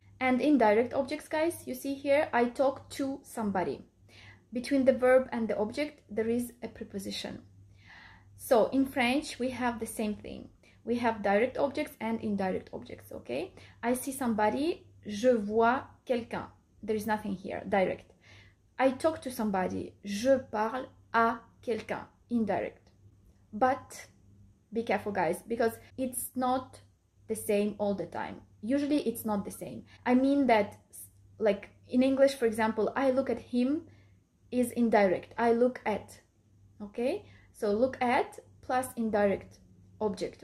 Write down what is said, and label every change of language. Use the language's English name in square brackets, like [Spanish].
[English] And indirect objects, guys, you see here, I talk to somebody. Between the verb and the object, there is a preposition. So in French, we have the same thing. We have direct objects and indirect objects, okay? I see somebody, [French] je vois quelqu'un. [English] There is nothing here, direct. I talk to somebody, [French] je parle à quelqu'un, [English] indirect. But be careful, guys, because it's not the same all the time. Usually it's not the same. I mean that, like in English, for example, I look at him is indirect. I look at, okay? So look at plus indirect object.